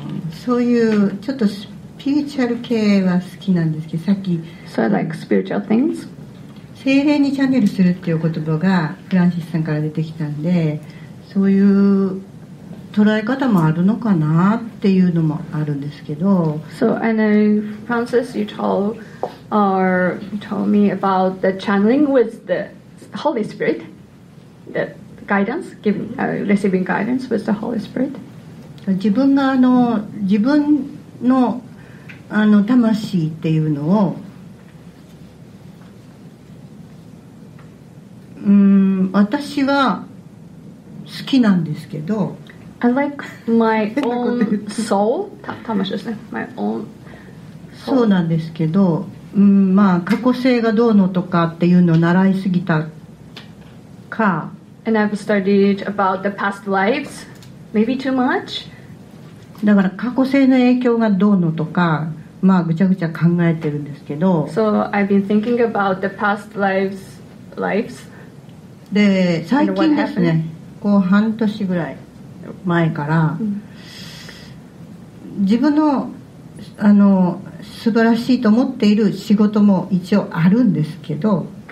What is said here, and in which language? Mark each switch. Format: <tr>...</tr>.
<ja>そういうちょっとスピリチュアル系は好きなんですけど、さっき、</ja> <en>So I like spiritual things.</en> <ja>精霊にチャネルするっていう言葉がフランシスさんから出てきたんで、そういう捉え方もあるのかなっていうのもあるんですけど、</ja> <en>So I know Francis, you told me about the channeling with the Holy Spirit, that. Guidance, giving, receiving guidance with the Holy Spirit.</en> <ja>自分が自分の魂っていうのを、私は好きなんですけど。</ja> <en>I like my own soul.</en> <ja>魂ですね。</ja> <en>My own</en> <ja>soul. そうなんですけど、まあ過去性がどうのとかっていうのを習いすぎたか。</ja> <en>And I've studied about the past lives, maybe too much.</en> <ja>だから過去性の影響がどうのとか、まあぐちゃぐちゃ考えてるんですけど。</ja> <en>So I've been thinking about the past lives,</en> <ja>で、最近ですね、こう半年ぐらい前から、自分の素晴らしいと思っている仕事も一応あるんですけど。</ja>